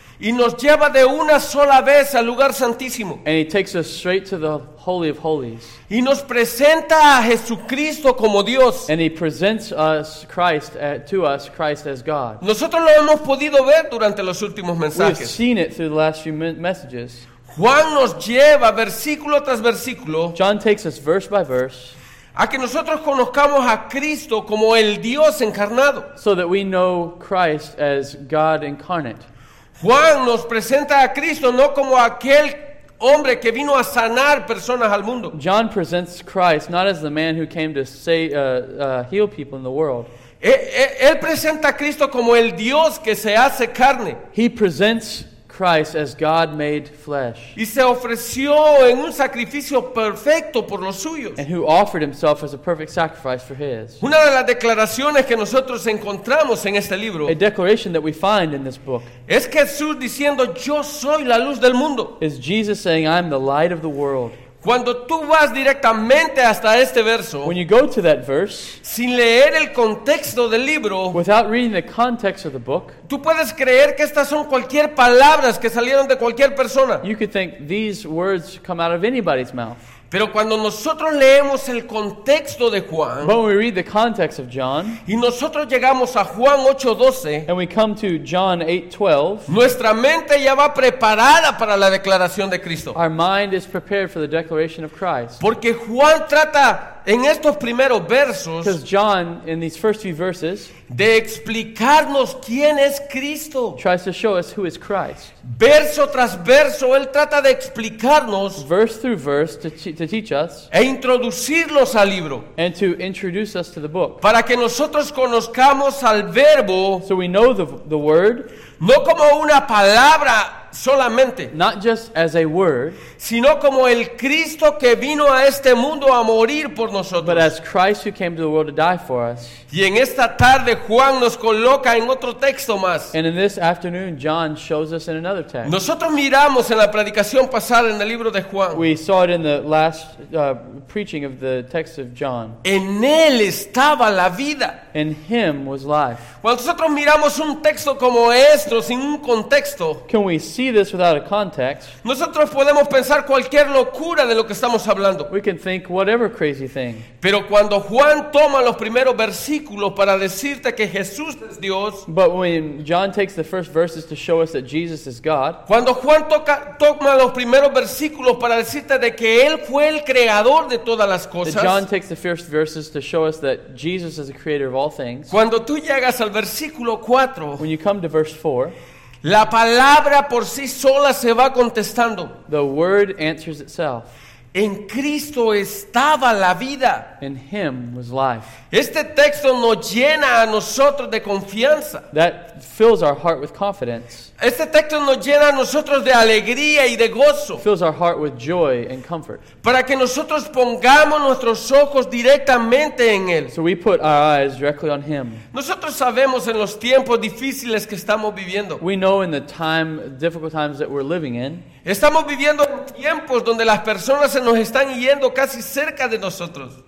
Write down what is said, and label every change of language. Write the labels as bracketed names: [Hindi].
[Spanish] y nos lleva de una sola vez al lugar santísimo. [English] And he takes us straight to the Holy of Holies. [Spanish] Y nos presenta a Jesucristo como Dios. [English] And he presents us Christ to us Christ as God. [Spanish] Nosotros lo hemos podido ver durante los últimos mensajes. [English] We've seen it through the last few messages. [Spanish] Juan nos lleva versículo tras versículo. [English] John takes us verse by verse. [Spanish] A que nosotros conozcamos a Cristo como el Dios encarnado. [English] So that we know Christ as God incarnate. [Spanish] Juan nos presenta a Cristo no como aquel hombre que vino a sanar personas al mundo. [English] John presents Christ not as the man who came to heal people in the world. [Spanish] Él presenta a Cristo como el Dios que se hace carne. [English] He presents Christ as God made flesh. [Spanish] Y se ofreció en un sacrificio perfecto por los suyos. [English] And who offered himself as a perfect sacrifice for his. [Spanish] Una de las declaraciones que nosotros encontramos en este libro. [English] A declaration that we find in this book. [Spanish] Es Jesús diciendo, yo soy la luz del mundo. [English] Is Jesus saying, I'm the light of the world. [Spanish] Cuando tú vas directamente hasta este verso, [English] when you go to that verse, [Spanish] sin leer el contexto del libro, [English] without reading the context of the book, [Spanish] tú puedes creer que estas son cualquier palabras que salieron de cualquier persona. [English] You could think these words come out of anybody's mouth. [Spanish] Pero cuando nosotros leemos el contexto de Juan, [English] when we read the context of John, [Spanish] y nosotros llegamos a Juan 8:12, [English] and we come to John 8:12, [Spanish] nuestra mente ya va preparada para la declaración de Cristo. [English] Our mind is prepared for the declaration of Christ. [Spanish] Porque Juan trata en estos primeros versos, [English] because John, in these first few verses, [Spanish] de explicarnos quién es Cristo, [English] tries to show us who is Christ. [Spanish] Verso tras verso, él trata de explicarnos, [English] verse through verse, to teach us, [Spanish] e introducirnos al libro, [English] and to introduce us to the book, [Spanish] para que nosotros conozcamos al Verbo, [English] so we know the Word, [Spanish] no como una palabra solamente, [English] not just as a word, [Spanish] sino como el Cristo que vino a este mundo a morir por nosotros, [English] but as Christ who came to the world to die for us. [Spanish] Y en esta tarde Juan nos coloca en otro texto más. [English] And in this afternoon John shows us in another text. [Spanish] Nosotros miramos en la predicación pasada en el libro de Juan. [English] We saw it in the last preaching of the text of John. [Spanish] En él estaba la vida. [English] In him was life. [Spanish] Cuando nosotros miramos un texto como esto sin un contexto, [English] can we see this without a context? [Spanish] Nosotros podemos pensar cualquier locura de lo que estamos hablando. [English] We can think whatever crazy thing. [Spanish] Pero cuando Juan toma los primeros versículos para decirte que Jesús es Dios, [English] but when John takes the first verses to show us that Jesus is God, [Spanish] cuando Juan toma los primeros versículos para decirte de que él fue el creador de todas las cosas, [English] that John takes the first verses to show us that Jesus is the creator of all things. [Spanish] Cuando tú llegas al versículo 4, [English] when you come to verse 4, [Spanish] la palabra por sí sola se va contestando. [English] The word answers itself. [Spanish] En Cristo estaba la vida. [English] In him was life. [Spanish] Este texto nos llena a nosotros de confianza. [English] That fills our heart with confidence. [Spanish] Este texto nos llena a nosotros de alegría y de gozo. [English] Fills our heart with joy and comfort. [Spanish] Para que nosotros pongamos nuestros ojos directamente en él. [English] So we put our eyes directly on him. [Spanish] Nosotros sabemos en los tiempos difíciles que estamos viviendo. [English] We know in the time, difficult times that we're living in. [Spanish] Estamos viviendo tiempos donde las personas se nos están yendo casi cerca de nosotros.